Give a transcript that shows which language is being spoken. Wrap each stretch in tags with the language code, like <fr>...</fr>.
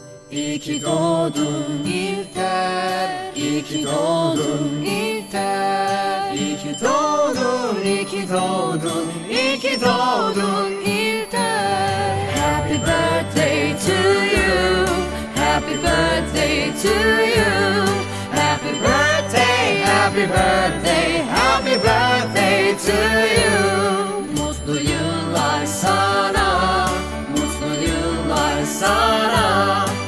<tr>İyi ki doğdun İlter, iyi ki doğdun İlter, iyi ki doğdun, iyi ki doğdun, iyi ki doğdun İlter.</tr> <en>Happy birthday to you, happy birthday to you, happy birthday, happy birthday, happy birthday to you.</en> <tr>Mutlu yıllar sana, mutlu yıllar sana.</tr>